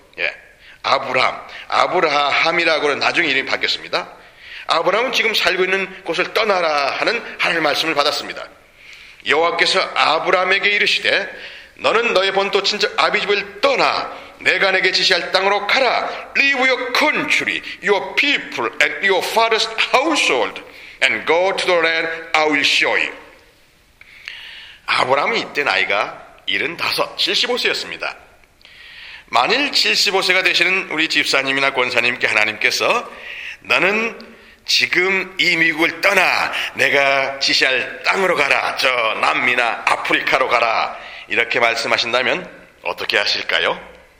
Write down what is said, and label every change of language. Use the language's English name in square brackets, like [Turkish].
[Korean] 예, 아브라함, 아브라함이라고는 나중에 이름이 바뀌었습니다. 아브라함은 지금 살고 있는 곳을 떠나라 하는 하나님의 말씀을 받았습니다. 여호와께서 아브라함에게 이르시되 너는 너의 본토 친척 아비집을 떠나 내가 네게 지시할 땅으로 가라. [English] Leave your country, your people, and your father's household, and go to the land I will show you. [Korean] 아브라함이 이때 나이가 75, 75세였습니다. 만일 75세가 되시는 우리 집사님이나 권사님께 하나님께서 너는 지금 이 미국을 떠나 내가 지시할 땅으로 가라. 저 남미나 아프리카로 가라. 이렇게 말씀하신다면 어떻게 하실까요?